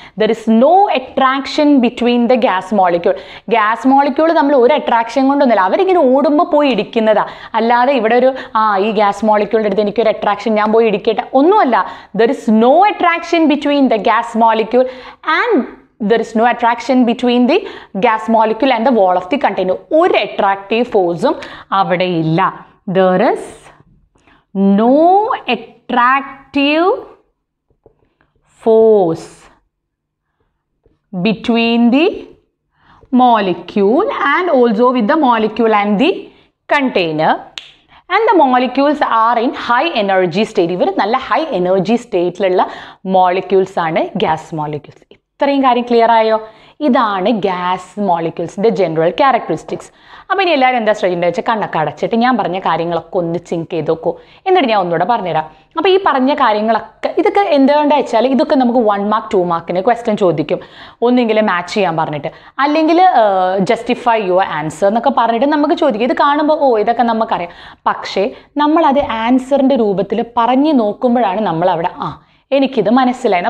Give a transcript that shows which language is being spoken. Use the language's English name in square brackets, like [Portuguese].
[English] There is no attraction between the gas molecule. [Malayalam] Gas molecule നമ്മൾ ഒരു attraction കൊണ്ടൊന്നുമില്ല, അവരിങ്ങനെ ഓടുമ്പോൾ പോയി ഇടിക്കുന്നതാ. അല്ലാതെ ഇവിടെ ഒരു ഈ ഗ്യാസ് മോളിക്യൂളിൻ്റെ അടുത്ത് എനിക്കൊരു അട്രാക്ഷൻ, ഞാൻ പോയി ഇടിക്കട്ടെ, ഒന്നുമല്ല. [English] There is no attraction between the gas molecule and there is no attraction between the gas molecule and the wall of the container. [Malayalam] ഒരു അട്രാക്റ്റീവ് ഫോഴ്സും അവിടെ ഇല്ല. [English] There is no attractive force between the molecule and also with the molecule and the container and the molecules are in high energy state. [Malayalam] ഇവർ നല്ല high energy സ്റ്റേറ്റിലുള്ള molecules ആണ് gas molecules. ഇത്രയും കാര്യം clear ആയോ? ഇതാണ് ഗ്യാസ് മോളിക്യൂൾസിൻ്റെ ജനറൽ ക്യാരക്ടറിസ്റ്റിക്സ്. അപ്പോൾ ഇനി എല്ലാവരും എന്താ ശ്രദ്ധിക്കേണ്ടത് വെച്ചാൽ, കണ്ണൊക്കെ അടച്ചിട്ട് ഞാൻ പറഞ്ഞ കാര്യങ്ങളൊക്കെ ഒന്ന് ചിങ്ക് ചെയ്ത് നോക്കൂ, എന്നിട്ട് ഞാൻ ഒന്നുകൂടെ പറഞ്ഞുതരാം. അപ്പോൾ ഈ പറഞ്ഞ കാര്യങ്ങളൊക്കെ ഇതൊക്കെ എന്തുകൊണ്ടാണ് വെച്ചാൽ, ഇതൊക്കെ നമുക്ക് 1 മാർക്ക് 2 മാർക്കിന് ക്വസ്റ്റ്യൻ ചോദിക്കും. ഒന്നുകിലും മാച്ച് ചെയ്യാൻ പറഞ്ഞിട്ട്, അല്ലെങ്കിൽ [English] justify your answer [Malayalam] എന്നൊക്കെ പറഞ്ഞിട്ട് നമുക്ക് ചോദിക്കും. ഇത് കാണുമ്പോൾ ഓ ഇതൊക്കെ നമുക്കറിയാം, പക്ഷേ നമ്മളത് ആൻസറിൻ്റെ രൂപത്തിൽ പറഞ്ഞ് നോക്കുമ്പോഴാണ് നമ്മളവിടെ ആ എനിക്കിത് മനസ്സിലായിരുന്നു.